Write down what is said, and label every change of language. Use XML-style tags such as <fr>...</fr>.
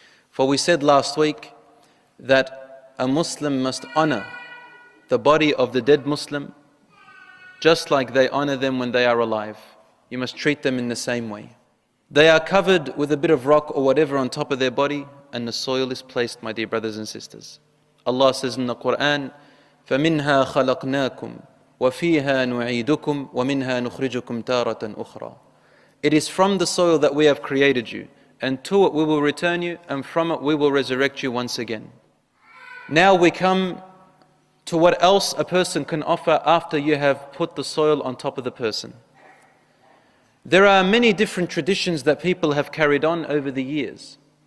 <en>For we said last week that a Muslim must honor the body of the dead Muslim just like they honor them when they are alive. You must treat them in the same way. They are covered with a bit of rock or whatever on top of their body, and the soil is placed, my dear brothers and sisters. Allah says in the Quran,</en> <ar>فَمِنْهَا خَلَقْنَاكُمْ وَفِيهَا نُعِيدُكُمْ وَمِنْهَا نُخْرِجُكُمْ تَارَةً أُخْرَى.</ar> <en>It is from the soil that we have created you, and to it we will return you, and from it we will resurrect you once again. Now we come to what else a person can offer after you have put the soil on top of the person. There are many different traditions that people have carried on over the years.</en>